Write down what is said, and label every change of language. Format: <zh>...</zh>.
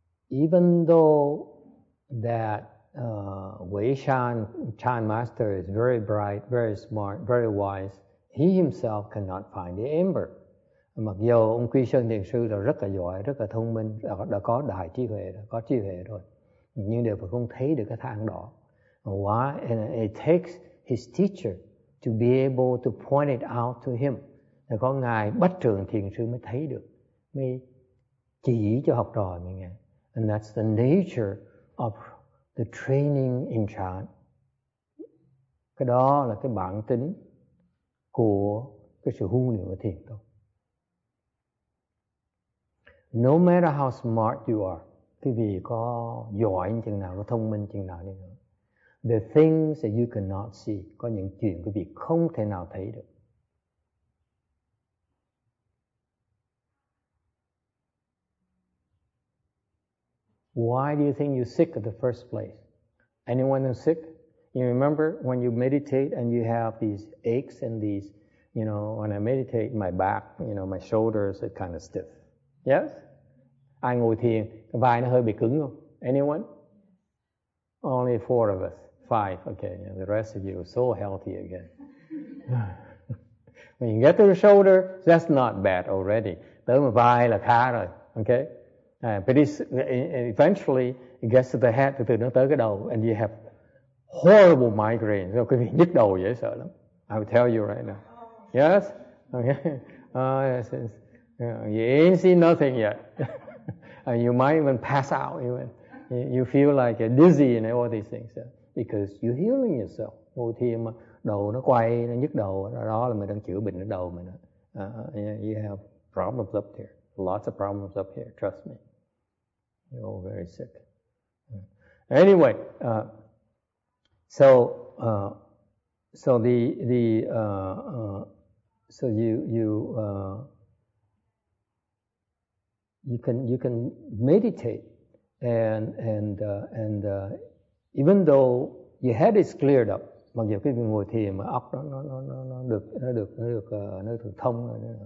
<en>Even though that Wei Shan Chan Master is very bright, very smart, very wise, he himself cannot find the ember.</en> <vi>Mặc dù ông Quy Sơn Thiền Sư là rất là giỏi, rất là thông minh, đã có đại trí huệ, đã có trí huệ rồi, nhưng đều không thấy được cái thang đỏ. Why?</vi> <en>And it takes his teacher to be able to point it out to him.</en> <vi>Là có ngài Bách Trường Thiền Sư mới thấy được, mới chỉ cho học trò mình nghe.</vi> <en>And that's the nature of the training in Chan.</en> <vi>Cái đó là cái bản tính của cái sự huấn luyện của thiền đó.</vi> <en>No matter how smart you are,</en> <vi>quý vị có giỏi chừng nào, có thông minh chừng nào đi nữa,</vi> <en>the things that you cannot see,</en> <vi>có những chuyện quý vị không thể nào thấy được.</vi> <en>Why do you think you're sick at the first place? Anyone who's sick? You remember when you meditate and you have these aches and these, you know, when I meditate, my back, you know, my shoulders are kind of stiff. Yes?</en> <vi>Ai ngồi thiền, cái vai nó hơi bị cứng không?</vi> <en>Anyone? Only 4 of us. 5, okay. And the rest of you are so healthy again. When you get to the shoulder, that's not bad already.</en> <vi>Tới mà vai là khá rồi, okay?</vi> <en>But eventually, it gets to the head,</en> <vi>từ từ nó tới cái đầu,</vi> <en>and you have horrible migraines.</en> <vi>Quý vị nhức đầu dễ sợ lắm.</vi> <en>I will tell you right now. Yes? Okay. You ain't seen nothing yet. You might even pass out, even. You feel like you're dizzy and all these things. Yeah? Because you're healing yourself.</en> <vi>Ngồi thiền mà đầu nó quay, nó nhức đầu, đó là mình đang chữa bệnh ở đầu mình.</vi> <en>You have problems up here. Lots of problems up here, trust me. You're all very sick. Anyway, you can meditate and even though your head is cleared up,</en> <vi>mặc dù cái ngồi thiền mà óc nó được thông,</vi>